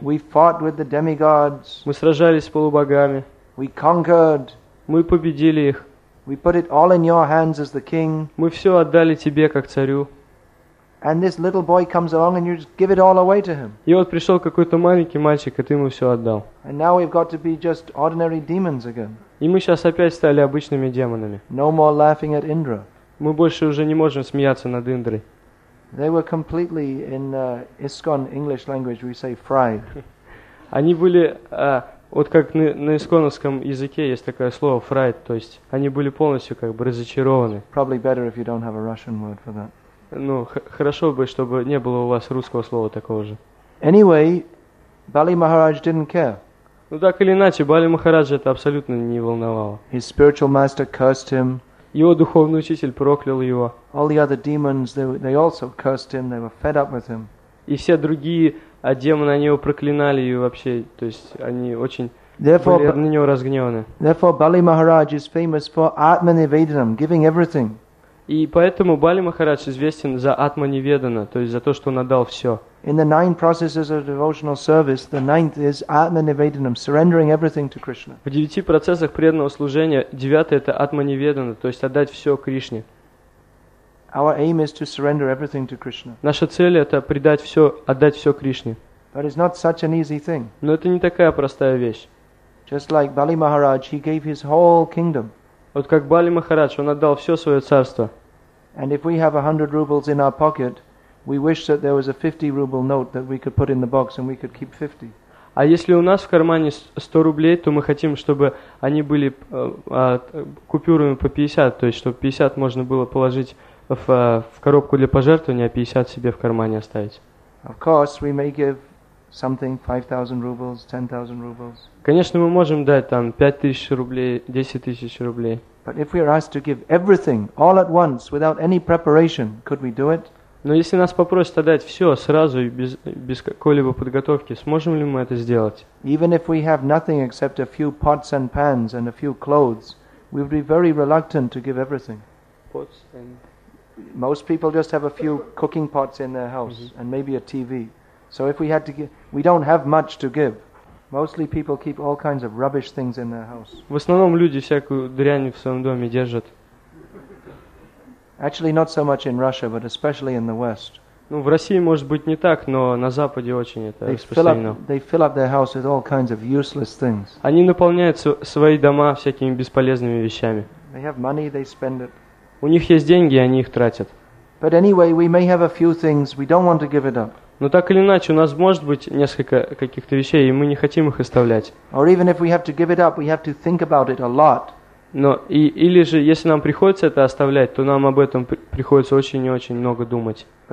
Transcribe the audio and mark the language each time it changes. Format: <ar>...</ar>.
<en>We fought with the demigods.</en> <ru>Мы сражались с полубогами.</ru> <en>We conquered.</en> <ru>Мы победили их.</ru> <en>We put it all in your hands as the king.</en> <ru>Мы все отдали тебе как царю.</ru> <en>And this little boy comes along and you just give it all away to him.</en> <ru>И вот пришел какой-то маленький мальчик, и ты ему все отдал.</ru> <en>And now we've got to be just ordinary demons again.</en> <ru>И мы сейчас опять стали обычными демонами.</ru> <en>No more laughing at Indra.</en> <ru>Мы больше уже не можем смеяться над Индрой.</ru> <en>They were completely in ISKCON English language we say fried.</en> <ru>Они были вот как на исконовском языке есть такое слово «фрайт», то есть они были полностью как бы разочарованы.</ru> <en>Probably better if you don't have a Russian word for that.</en> <ru>Ну, хорошо бы, чтобы не было у вас русского слова такого же.</ru> <en>Anyway, Bali Maharaj didn't care.</en> <ru>Ну, так или иначе, Бали Махараджа это абсолютно не волновало.</ru> <en>His spiritual master cursed him.</en> <ru>Его духовный учитель проклял его.</ru> <en>All the other demons, they also cursed him, they were fed up with him.</en> <ru>и все другие демоны, они его проклинали, и вообще, то есть они очень</ru> <en>therefore,</en> <ru>были на него разгневаны.</ru> <en>Therefore, Bali Maharaj is famous for Atmanivedanam, giving everything.</en> <ru>И поэтому Бали Махарадж известен за Атманиведана, то есть за то, что он отдал все.</ru> <en>In the nine processes of devotional service, the ninth is Atmanivedanam, surrendering everything to Krishna.</en> <ru>В девяти процессах преданного служения девятое – это Атманиведана, то есть отдать все Кришне.</ru> <en>Our aim is to surrender everything to Krishna.</en> <ru>Наша цель – это предать все, отдать все Кришне.</ru> <en>But it's not such an easy thing.</en> <ru>Но это не такая простая вещь.</ru> <en>Just like Bali Maharaj, he gave his whole kingdom.</en> <ru>Вот как Бали Махарадж, он отдал все свое царство.</ru> <en>And if we have 100 rubles in our pocket, we wish that there was a 50-ruble note that we could put in the box and we could keep 50.</en> <ru>А если у нас в кармане 100 рублей, то мы хотим, чтобы они были купюрами по 50, то есть чтобы 50 можно было положить в коробку для пожертвования, а 50 себе в кармане оставить.</ru> <en>Of course, we may give something 5,000 rubles, 10,000 rubles.</en> <ru>Конечно, мы можем дать там 5000 рублей, 10000 рублей.</ru> <en>But if we are asked to give everything all at once without any preparation, could we do it?</en> <ru>Но если нас попросят отдать все сразу и без какой-либо подготовки, сможем ли мы это сделать?</ru> <en>Even if we have nothing except a few pots and pans and a few clothes, we would be very reluctant to give everything. Pots and most people just have a few cooking pots in their house and maybe a TV. So if we had to give, we don't have much to give. Mostly people keep all kinds of rubbish things in their house.</en> <ru>В основном люди всякую дрянь в своем доме держат.</ru> <en>Actually, not so much in Russia, but especially in the West.</en> <ru>Ну, в России может быть не так, но на Западе очень это распространено.</ru> <en>They fill up their house with all kinds of useless things.</en> <ru>Они наполняют свои дома всякими бесполезными вещами.</ru> <en>They have money, they spend it.</en> <ru>У них есть деньги, они их тратят.</ru> <en>But anyway, we may have a few things. We don't want to give it up.</en> <ru>Но так или иначе, у нас может быть несколько каких-то вещей, и мы не хотим их оставлять. Но или же, если нам приходится это оставлять, то нам об этом приходится очень и очень много думать.</ru>